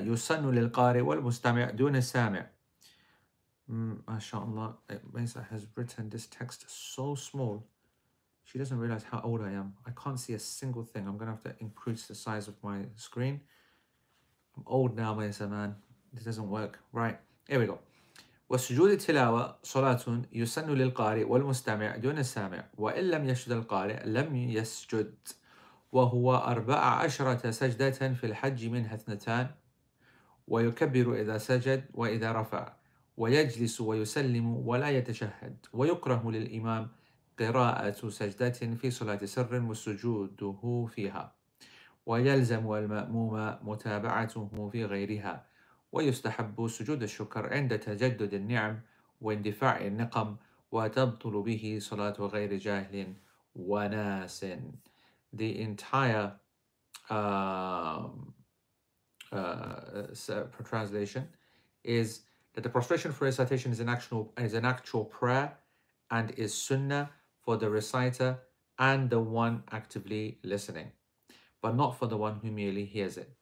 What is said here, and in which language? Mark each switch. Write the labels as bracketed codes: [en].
[en] Yusannu lil-qari wal-mustami' dun al-sami'. MashaAllah, Maisa has written this text so small. She doesn't realize how old I am. I can't see a single thing. I'm going to have to increase the size of my screen. I'm old now, Maisa, man. This doesn't work. Right, here we go. [ar] وسجود التلاوة صلاة يسن للقارئ والمستمع دون السامع وإن لم يسجد القارئ لم يسجد وهو 14 سجدة في الحج منها اثنتان ويكبر إذا سجد وإذا رفع ويجلس ويسلم ولا يتشهد ويكره للإمام قراءة سجدة في صلاة سر وسجوده فيها ويلزم المأموم متابعته في غيرها ويستحب سجود الشكر عند تجدد النعم واندفاع النقم وتبطل به صلاة غير جاهل وناس. [en] The entire translation is that the prostration for recitation is an actual prayer and is sunnah for the reciter and the one actively listening, but not for the one who merely hears it.